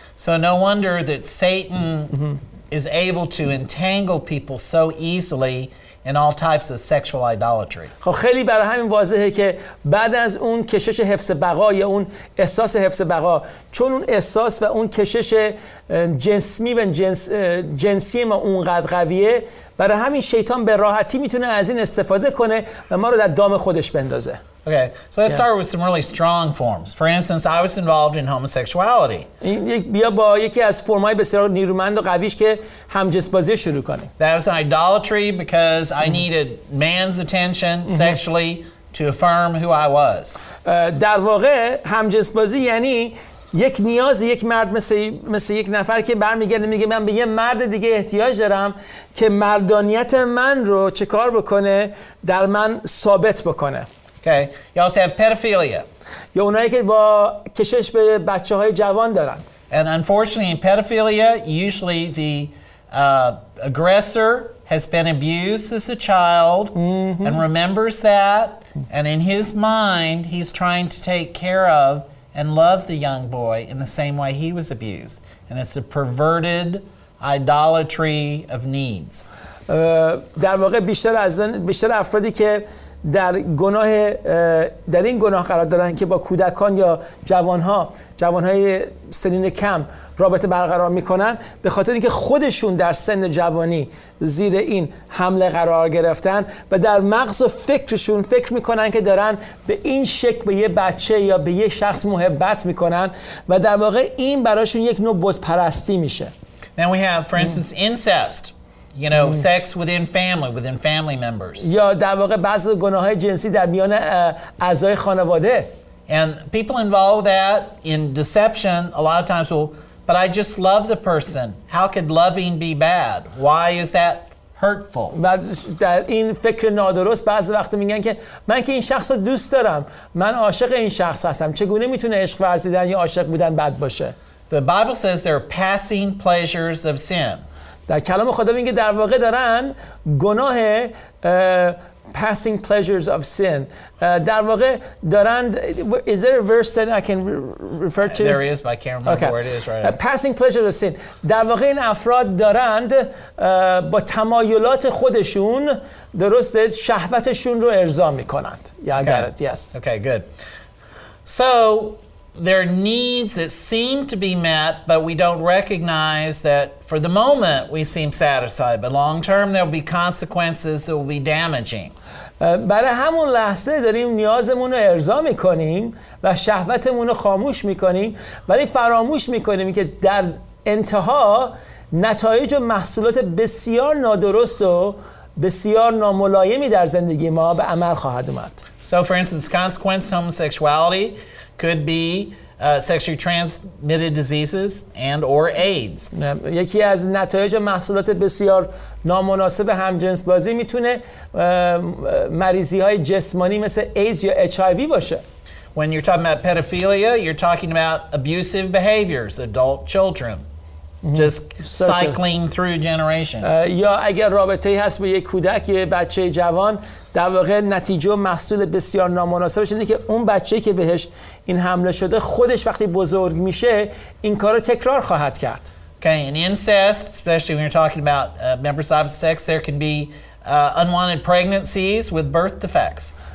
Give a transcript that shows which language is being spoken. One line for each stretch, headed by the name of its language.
English: So no wonder that Satan is able to entangle people so easily in all types of sexual idolatry.
Persian: خب خیلی برای همین واضحه که بعد از اون کشش حفظ بقا یا اون احساس حفظ بقا، چون اون احساس و اون کشش جنسی و جنسی ما اونقدر قویه، برای همین شیطان به راحتی میتونه از این استفاده کنه و ما رو در دام خودش بندازه.
English: Okay, so let's start with some really strong forms. For instance, I was involved in homosexuality.
Persian: بیا با یکی از فرمای بسیار نیرومند و قویش که همجنسبازی شروع کنیم.
English: That was an idolatry because I needed man's attention sexually to affirm who I was.
Persian: در واقع همجنسبازی یعنی یک نیاز یک مرد مثل یک نفر که برمیگرده میگه من به یه مرد دیگه احتیاج دارم که مردانیت من رو چه کار بکنه، در من ثابت بکنه.
English: Okay. You also have pedophilia.
Persian: یا اونایی که با کشش به بچه‌های جوان دارن.
English: And unfortunately, in pedophilia, usually the aggressor has been abused as a child and remembers that, and in his mind, he's trying to take care of and love the young boy in the same way he was abused, and it's a perverted idolatry of needs.
Persian: در واقع بیشتر افرادی که در این گناه قرار دارن که با کودکان یا جوانهای سنین کم رابطه برقرار میکنن، به خاطر اینکه خودشون در سن جوانی زیر این حمله قرار گرفتن و در مغز و فکرشون فکر میکنن که دارن به این شکل به یه بچه یا به یه شخص محبت میکنن و در واقع این براشون یک نوع بت پرستی میشه.
English: Then we have, for instance, incest. You know, sex within family members.
Persian: یا در واقع بعضی گناه‌های جنسی در میان اعضای خانواده.
English: And people involved that in deception a lot of times will, but I just love the person. How could loving be bad? Why is that hurtful?
Persian: در این فکر نادرست بعضی وقت میگن که من که این شخص رو دوست دارم، من عاشق این شخص هستم، چگونه میتونه عشق ورزیدن یا عاشق بودن بد باشه؟
English: The Bible says there are passing pleasures of sin.
Persian: در کلام خدا میگه که در واقع دارن گناه
English: passing pleasures of sin
Persian: در واقع دارن.
English: Is there a verse that I can refer to? There is, but I can't remember where it is right now. Passing pleasures of sin.
Persian: در واقع این افراد دارند با تمایلات خودشون، درسته، شهوتشون رو ارضا میکنند.
English: Yeah, I got it. Yes. Okay, good. So there are needs that seem to be met, but we don't recognize that for the moment we seem satisfied, but long term there will be consequences that will be damaging.
Persian: برای همون لحظه داریم نیازمون رو ارضا میکنیم و شهوتمون رو خاموش میکنیم، ولی فراموش میکنیم که در انتها نتایج و محصولات بسیار نادرست و بسیار ناملایمی در زندگی ما به عمل خواهد اومد.
English: So for instance, consequence of homosexuality could be sexually transmitted diseases and or AIDS.
Persian: یکی از نتایج محصولات بسیار نامناسب همجنس بازی میتونه مریضی های جسمانی مثل AIDS یا HIV باشه.
English: When you're talking about pedophilia, you're talking about abusive behaviors, adult children. Just cycling through generations.
Persian: یا اگر رابطه ای هست با یک کودک یا بچه جوان، در واقع نتیجه و محصول بسیار نامناسبش اینه که اون بچه که بهش این حمله شده، خودش وقتی بزرگ میشه این کارو تکرار خواهد کرد.
English: Okay, in incest, especially when you're talking about members of sex, there can be unwanted pregnancies with birth defects.